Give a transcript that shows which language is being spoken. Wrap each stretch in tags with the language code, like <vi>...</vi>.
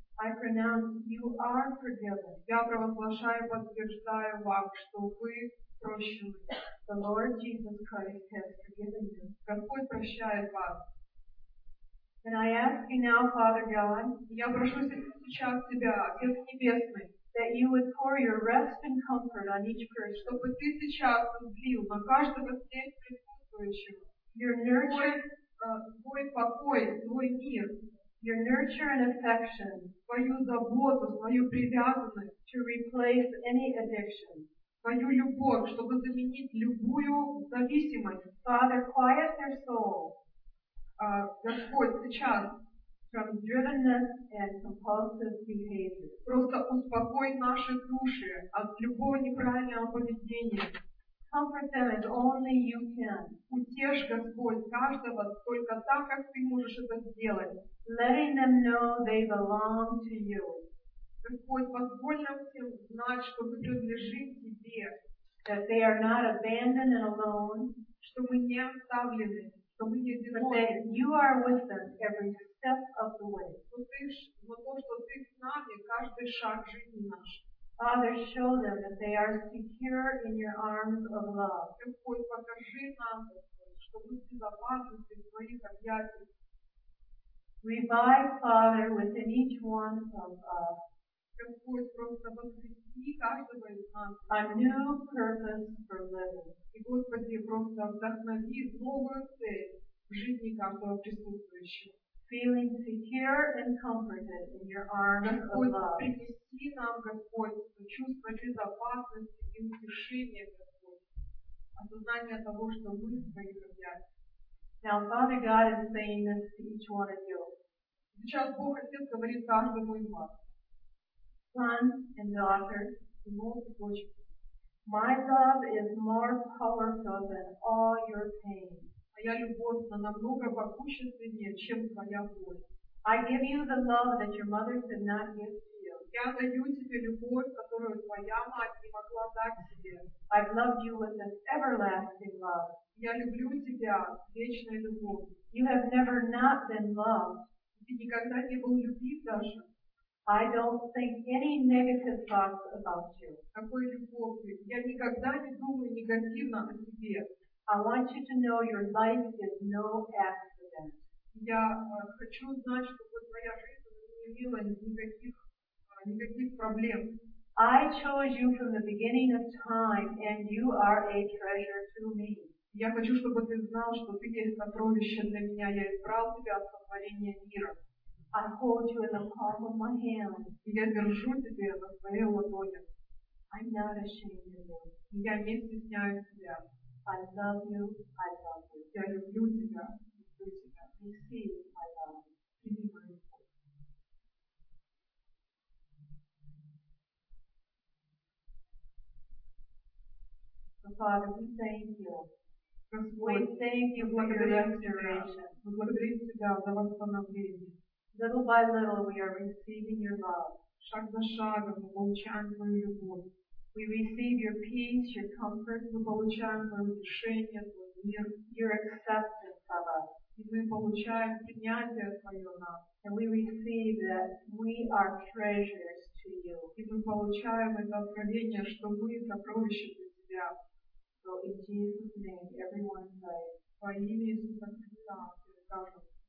<en>I pronounce you are forgiven.</en> <ru>Я провозглашаю, подтверждаю вам, что вы прощены.</ru> <en>The Lord Jesus Christ has forgiven you.</en> <ru>Господь прощает вас.</ru> <en>And I ask you now, Father God,</en> <ru>я прошу сейчас тебя, Отец Небесный,</ru> <en>that you would pour your rest and comfort on each person.</en> <ru>Чтобы ты сейчас излил на каждого здесь присутствующего</ru> <en>your nurture,</en> <ru>твой покой, твой мир,</ru> <en>your nurture and affection,</en> <ru>твою заботу, твою привязанность,</ru> <en>to replace any addiction,</en> <ru>твою любовь, чтобы заменить любую зависимость.</ru> <en>Father, quiet their soul.</en> <ru>Господь, сейчас</ru> <en>from drivenness and compulsive behavior.</en> <ru>Просто успокой наши души от любого неправильного поведения.</ru> <en>Comfort them as only you can.</en> <ru>Утешь, Господь, каждого только так, как ты можешь это сделать.</ru> <en>Letting them know they belong to you.</en> <ru>Господь, позволь нам всем знать, что мы принадлежим тебе.</ru> <en>That they are not abandoned and alone.</en> <ru>Что мы не оставлены. Что мы не одиноки.</ru> <en>But that you are with them every step of the way.</en> <ru>Но то, что ты с нами, каждый шаг жизни наш.</ru> <en>Father, show them that they are secure in your arms of love.</en> <ru>Господь, покажи нам, Господь, что мы в безопасности в твоих объятиях.</ru> <en>Revive, Father, within each one of us.</en> <ru>Господь, просто воскреси каждого из нас.</ru> <en>A new purpose for living.</en> <ru>И, Господи, просто вдохнови новую цель в жизни каждого присутствующего.</ru> <en>Feeling secure and comforted in your arms of love.</en> <ru>Господь, принеси нам, Господь, чувство безопасности и утешения, Господь, осознание того, что мы в твоих объятиях.</ru> <en>Now, Father God is saying this to each one of you.</en> <ru>Сейчас Бог, Отец, говорит каждому из вас.</ru> <en>son and daughter, the most worshipful. My love is more powerful than all your pain.</en> <ru>Моя любовь намного могущественнее, чем твоя боль.</ru> <en>I give you the love that your mother could not give to you.</en> <ru>Я даю тебе любовь, которую твоя мать не могла дать тебе.</ru> <en>I've loved you with an everlasting love.</en> <ru>Я люблю тебя вечной любовью.</ru> <en>You have never not been loved.</en> <ru>Ты никогда не был любим даже.</ru> <en>I don't think any negative thoughts about you.</en> <ru>Какой любовью? Я никогда не думаю негативно о тебе.</ru> <en>I want you to know your life is no accident.</en> <ru>Я хочу знать, что твоя жизнь не имела никаких проблем.</ru> <en>I chose you from the beginning of time, and you are a treasure to me.</en> <ru>Я хочу, чтобы ты знал, что ты есть сокровище для меня. Я избрал тебя от сотворения мира.</ru> <en>I hold you in the palm of my hand.</en> <ru>Я держу тебя на своей ладони.</ru> <en>I'm not ashamed of you.</en> <ru>Я не стесняюсь тебя.</ru> <en>I love you. I love you.</en> <ru>Я люблю тебя. Люблю тебя.</ru> <en>Receive my love.</en> <ru>Прими мою любовь.</ru> <en>So, Father, we thank you.</en> <ru>Господь,</ru> <en>we thank you for your restoration.</en> <ru>Мы благодарим тебя за восстановление.</ru> <en>Little by little, we are receiving your love.</en> <ru>Шаг за шагом мы получаем твою любовь.</ru> <en>We receive your peace, your comfort.</en> <ru>Мы получаем твое утешение, твой мир.</ru> <en>Your acceptance of us.</en> <ru>И мы получаем принятие твое нас.</ru> <en>And we receive that we are treasures to you.</en> <ru>И мы получаем это откровение, что мы сокровища для тебя.</ru> <en>So in Jesus' name, everyone say.</en> <ru>Во имя Иисуса Христа, перед каждым.</ru>